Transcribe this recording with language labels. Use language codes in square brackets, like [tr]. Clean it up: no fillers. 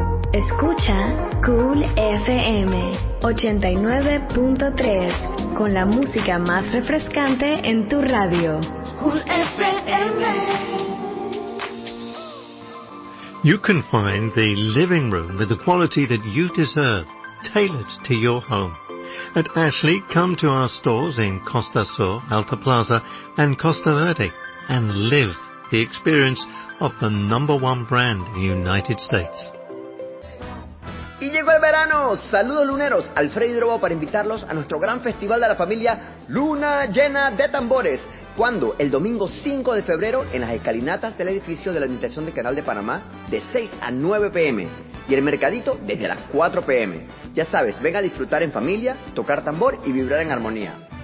[es] Escucha Cool FM 89.3 con la música más refrescante en tu radio. Cool FM. [en] You can find the living room with the quality that you deserve, tailored to your home. At Ashley, come to our stores in Costa Sur, Alta Plaza and Costa Verde and live the experience of the number one brand in the United States. [es] ¡Y llegó el verano! ¡Saludos luneros! Alfredo Hidrobo para invitarlos a nuestro gran festival de la familia Luna Llena de Tambores. ¿Cuándo? El domingo 5 de febrero en las escalinatas del edificio de la Administración del Canal de Panamá de 6 a 9 p.m. y el mercadito desde las 4 p.m. Ya sabes, venga a disfrutar en familia, tocar tambor y vibrar en armonía.